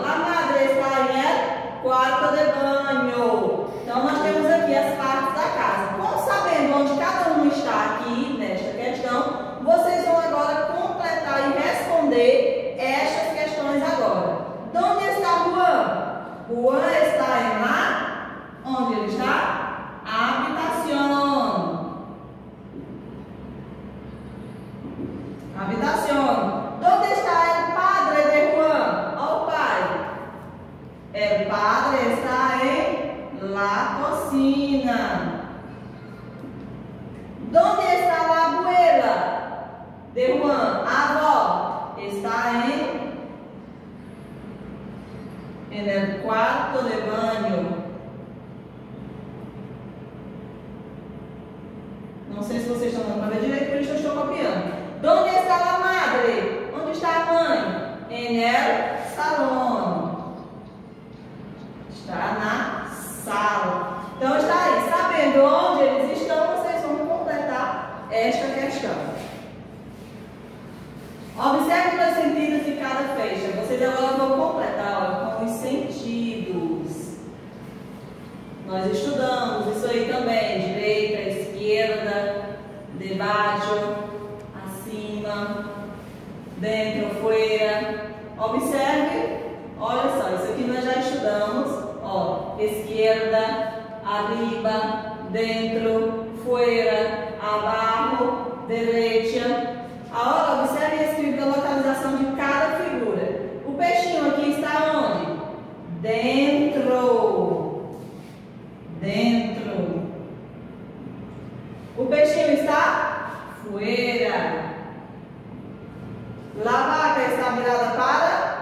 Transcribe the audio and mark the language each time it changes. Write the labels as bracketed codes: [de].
[es] La madre está em cuarto de baño. [pt] Então, nós temos aqui as partes da casa. Como sabendo onde cada um está aqui nesta questão, vocês vão agora completar e responder estas questões agora. Onde está Juan? Juan está em lá? Onde ele está? [es] Habitación. Habitación. Onde está el padre de Juan? [pt] Olha o pai. [es] El padre está em la cocina. Donde está la abuela? De Juan. [pt] A avó [es] está en el cuarto de baño. [pt] Não sei se vocês estão dando para ver direito, porque eu estou copiando. [es] Donde está la madre? [pt] Onde está a mãe? [es] En el salón. [pt] Está na sala. Então está aí, sabendo onde eles estão, vocês vão completar esta questão. Observe os sentidos de cada fecha. Vocês agora vão completar, ó, com os sentidos. Nós estudamos isso aí também: direita, esquerda, debaixo, acima, dentro, fora. Observe, olha só, isso aqui nós já estudamos. [es] Ó, esquerda, arriba, dentro, fuera, abajo, derecha. [pt] Agora observe e escreva a localização de cada figura. O peixinho aqui está onde? Dentro. Dentro. O peixinho está? [es] Fuera. La vaca [pt] está virada para?